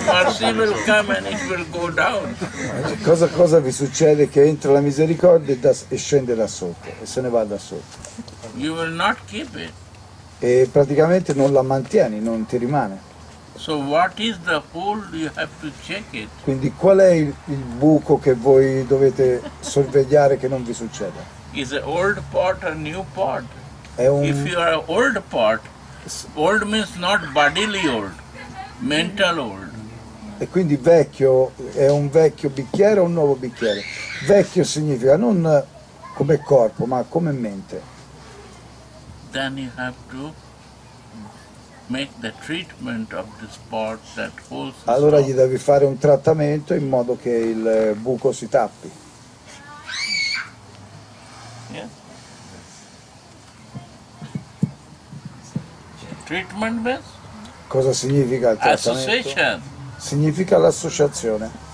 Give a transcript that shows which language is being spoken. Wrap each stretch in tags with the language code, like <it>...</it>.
<en>Mercy will come and it will go down.</en> <it>Cosa vi succede che entra la misericordia e scende da sotto e se ne va da sotto?</it> <en>You will not keep it.</en> <it>E praticamente non la mantieni, non ti rimane.</it> <en>So what is the hole you have to check it?</en> <it>Quindi qual è il buco che voi dovete sorvegliare che non vi succeda?</it> <en>Is a old pot a new pot? If you are old pot, old means not bodily old, mental old.</en> <it>E quindi vecchio è un vecchio bicchiere o un nuovo bicchiere? Vecchio significa non come corpo, ma come mente.</it> <en>Then you have to make the treatment of this part that holds.</en> <it>Allora gli devi fare un trattamento in modo che il buco si tappi.</it> <en>Yes. Treatment means?</en> <it>Cosa significa il trattamento?</it> <en>Association.</en> <it>Significa l'associazione.</it>